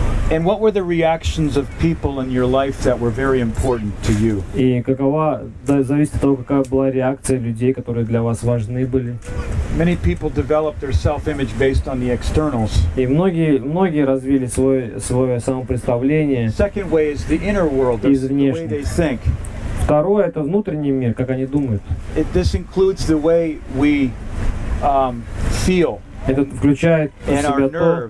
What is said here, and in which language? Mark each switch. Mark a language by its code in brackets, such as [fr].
[en] And what were the reactions of people in your life that were very important to you? [ru] И какова, да, зависит от того, какая была реакция людей, которые для вас важны были. [en] Many people develop their self-image based on the externals. [ru] И многие развили свое самопредставление. [en] Second way is the inner world, [ru] из внешних. [en] The way they think. [ru] Второе — это внутренний мир, как они думают. [en] This includes the way we feel. [ru] Это включает в себя то,